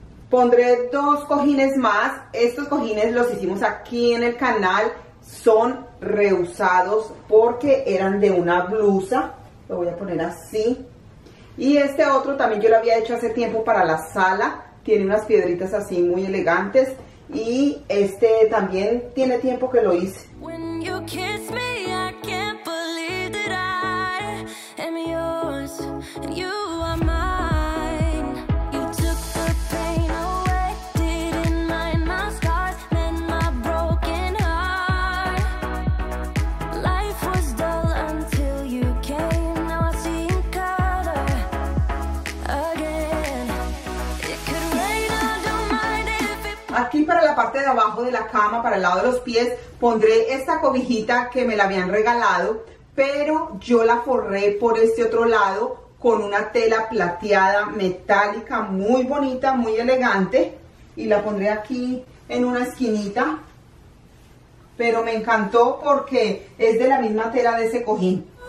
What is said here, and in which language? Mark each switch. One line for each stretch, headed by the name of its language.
Spanish: Pondré dos cojines más. Estos cojines los hicimos aquí en el canal, son reusados porque eran de una blusa, lo voy a poner así. Y este otro también yo lo había hecho hace tiempo para la sala, tiene unas piedritas así muy elegantes, y este también tiene tiempo que lo hice.
English: When you kiss me, I can't believe that I am yours, and you are mine. You took the pain away, didn't mind my scars, mend my broken heart. Life was dull until you came, now I see in color again. It could rain, I don't mind if it...
Spanish: Aquí para la parte de abajo de la cama, para el lado de los pies, pondré esta cobijita que me la habían regalado, pero yo la forré por este otro lado con una tela plateada metálica muy bonita, muy elegante, y la pondré aquí en una esquinita, pero me encantó porque es de la misma tela de ese cojín.